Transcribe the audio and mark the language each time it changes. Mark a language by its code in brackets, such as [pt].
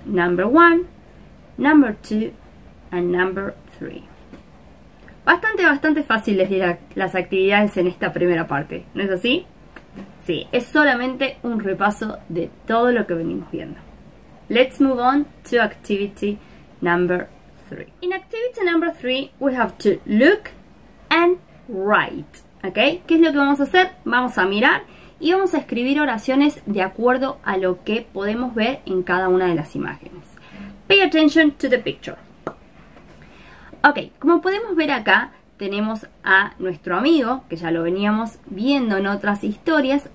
[en] Number 1, number 2, and number 3. [es] Bastante fácil les diré las actividades en esta primera parte, ¿no es así? Sí, es solamente un repaso de todo lo que venimos viendo. [en] Let's move on to activity number 3. In activity number 3, we have to look and write. [es] ¿Okay? ¿Qué es lo que vamos a hacer? Vamos a mirar y vamos a escribir oraciones de acuerdo a lo que podemos ver en cada una de las imágenes. [en] Pay attention to the picture. [es] Ok, como podemos ver acá, tenemos a nuestro amigo, que ya lo veníamos viendo en otras historias.